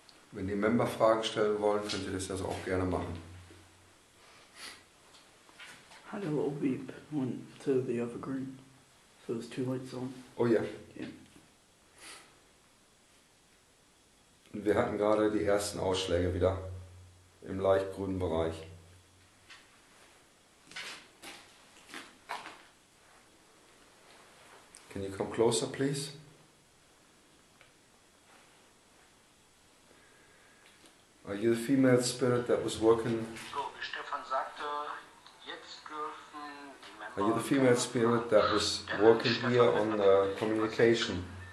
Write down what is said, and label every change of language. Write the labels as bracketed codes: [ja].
[de] Wenn die Member Fragen stellen wollen, könnt ihr das also auch gerne machen. [en] Had a little beep, went to the other green. So there's two lights on. Oh yeah. Yeah. [de] Wir hatten gerade die ersten Ausschläge wieder im leicht grünen Bereich. [en] Can you come closer, please? Are you the female spirit that was working? [de] So, wie Stefan sagte, jetzt dürfen die Member. [en] Are you the female spirit that was working here on the communication?